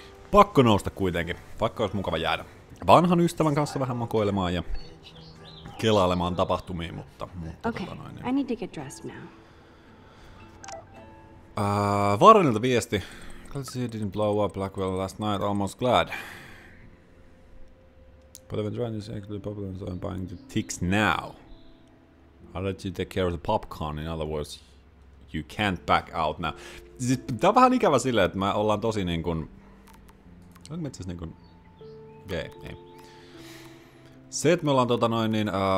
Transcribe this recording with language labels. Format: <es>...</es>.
<fi>Pakko nousta kuitenkin, vaikka olisi mukava jäädä vanhan ystävän kanssa vähän makoilemaan ja kelailemaan tapahtumiin, mutta</fi> <en>okay,</en> <fi>tota noin, niin.</fi> <en>I need to get dressed now.</en> <fi>Varrenilta viesti.</fi> <en>Let's see, it didn't blow up Blackwell last night, almost glad. But I've been trying to say it's actually popular, so I'm buying the ticks now. I'll let you take care of the popcorn, in other words, you can't back out now.</en> <fi>Siis, tää on vähän ikävä silleen, että me ollaan tosi niinkun... Onko me itseasiassa niinkun... Okei, ei. Se, että me ollaan tota noin niin...</fi>